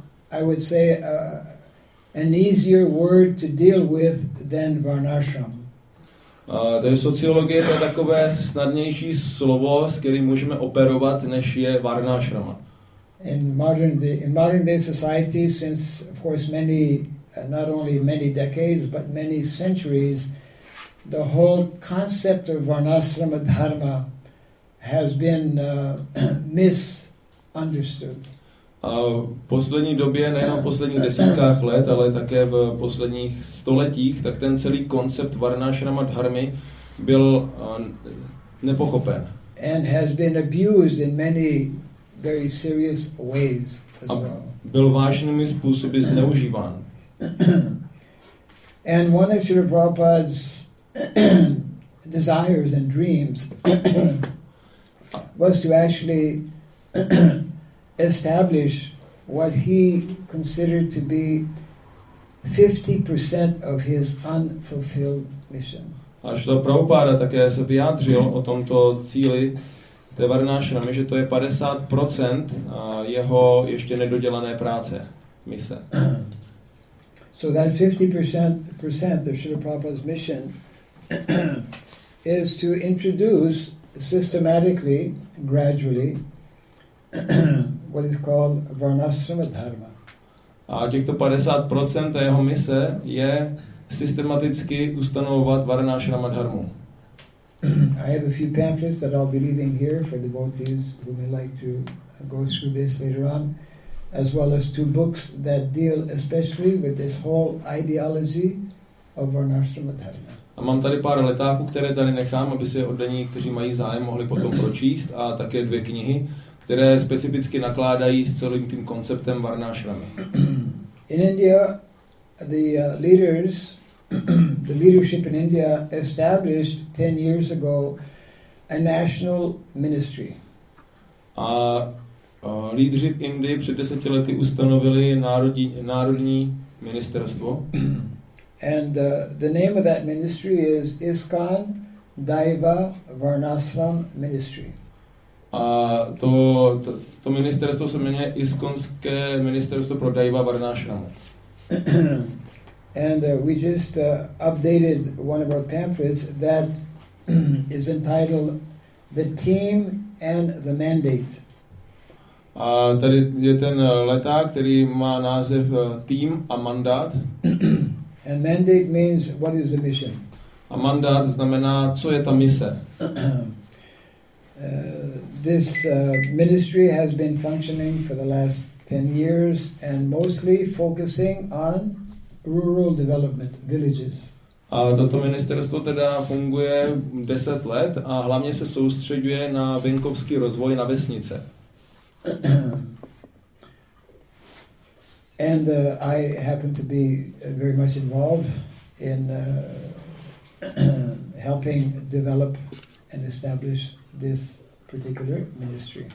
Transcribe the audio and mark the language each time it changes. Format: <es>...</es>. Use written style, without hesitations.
<en>I would say an easier word to deal with than varnashram.</en> <cs>To je sociologie, to je takové snadnější slovo, s kterým můžeme operovat, než je varnashram.</cs> <en>In modern day society, since of course many, not only many decades, but many centuries, the whole concept of varnashrama dharma has been misunderstood.</en> <cs>A v poslední době, nejenom v posledních desítkách let, ale také v posledních stoletích, tak ten celý koncept varnashrama dharmy byl nepochopen.</cs> <en>And has been abused in many very serious ways as well.</en> <cs>Byl vážnými způsoby zneužíván.</cs> <en>And one of Srila Prabhupada's desires and dreams was to actually establish what he considered to be 50% of his unfulfilled mission.</en> <cs>A Srila Prabhupada také se vyjádřil o tomto cíli té varnashramy, že to je 50% jeho ještě nedodělané práce, mise.</cs> <en>So that 50% of Srila Prabhupada's mission is to introduce systematically, gradually, what is called varnashrama dharma.</en> <cs>A těchto 50% jeho mise je systematicky ustanovovat varnashrama dharmu.</cs> <en>I have a few pamphlets that I'll be leaving here for devotees who may like to go through this later on, as well as two books that deal especially with this whole ideology of varnashrama dharma.</en> <cs>A mám tady pár letáků, které tady nechám, aby se oddaní, kteří mají zájem, mohli potom pročíst, a také dvě knihy, které specificky nakládají s celým tím konceptem varnashramy.</cs> <en>In India, the leaders, the leadership in India established 10 years ago a national ministry.</en> <cs>A lídři v Indii před 10 lety ustanovili národní ministerstvo.</cs> <en>And the name of that ministry is ISKCON Daiva Varnashram Ministry.</en> <cs>A to ministerstvo se jmenuje Iskonské ministerstvo pro Daiva Varnashram.</cs> <en>And we just updated one of our pamphlets that is entitled The Team and the Mandate.</en> <cs>A tady je ten leták, který má název Tým a mandát.</cs> <en>And mandate means what is the mission?</en> <cs>A mandát znamená, co je ta mise.</cs> <en>This ministry has been functioning for the last 10 years and mostly focusing on rural development, villages.</en> <cs>A toto ministerstvo teda funguje 10 let a hlavně se soustředuje na venkovský rozvoj, na vesnice.</cs> <en>And I happen to be very much involved in helping develop and establish this particular ministry.</en>